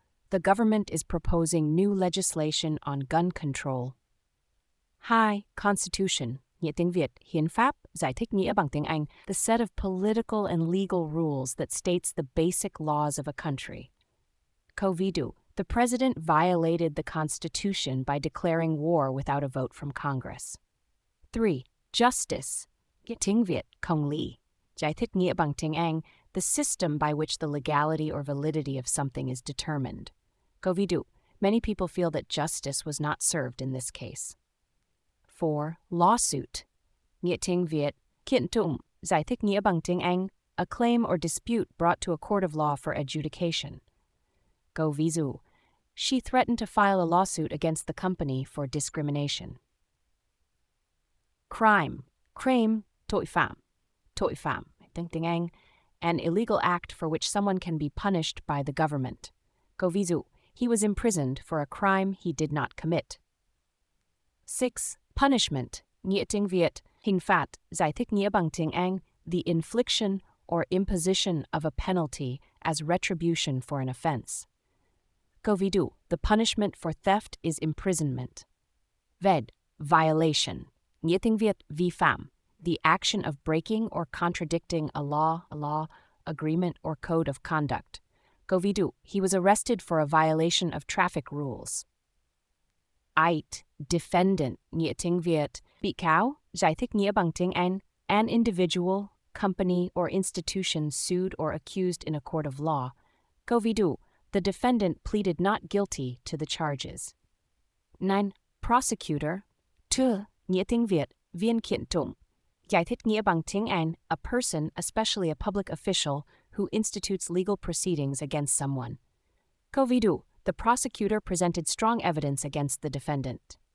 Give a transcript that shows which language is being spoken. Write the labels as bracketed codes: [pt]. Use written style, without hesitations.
[en] The government is proposing new legislation on gun control. Hai, Constitution, [vi] nghĩa tiếng Việt, hiến pháp, giải thích nghĩa bằng tiếng Anh, [en] the set of political and legal rules that states the basic laws of a country. [vi] Câu ví dụ, [en] the president violated the constitution by declaring war without a vote from Congress. 3. Justice, [vi] nghĩa tiếng Việt, công lý, giải thích nghĩa bằng tiếng Anh, [en] the system by which the legality or validity of something is determined. [vi] Câu ví dụ, [en] many people feel that justice was not served in this case. 4. Lawsuit, [vi] nghĩa tiếng Việt, kiện tụng, giải thích nghĩa bằng tiếng Anh, [en] a claim or dispute brought to a court of law for adjudication. [vi] Câu ví dụ, [en] she threatened to file a lawsuit against the company for discrimination. Crime, crime, [vi] tội phạm, tiếng Anh, [en] an illegal act for which someone can be punished by the government. [vi] Câu ví dụ, [en] he was imprisoned for a crime he did not commit. 6. Punishment, [vi] nghĩa tiếng Việt, hình phạt, giải thích nghĩa bằng tiếng Anh, [en] the infliction or imposition of a penalty as retribution for an offense. [vi] Câu ví dụ, [en] the punishment for theft is imprisonment. Vậy, violation, [vi] nghĩa tiếng Việt, vi phạm, [en] the action of breaking or contradicting a law, agreement or code of conduct. [vi] Câu ví dụ, [en] he was arrested for a violation of traffic rules. Eight, defendant, [vi] nghĩa tiếng Việt, bị cáo, giải thích nghĩa bằng tiếng Anh, [en] an individual, company or institution sued or accused in a court of law. [vi] Câu ví dụ, [en] the defendant pleaded not guilty to the charges. 9. Prosecutor, [vi] tư, nghĩa tiếng Việt, viên kiện tụng, giải thích nghĩa bằng tiếng Anh, [en] a person, especially a public official, who institutes legal proceedings against someone. [vi] Câu ví dụ, [en] the prosecutor presented strong evidence against the defendant.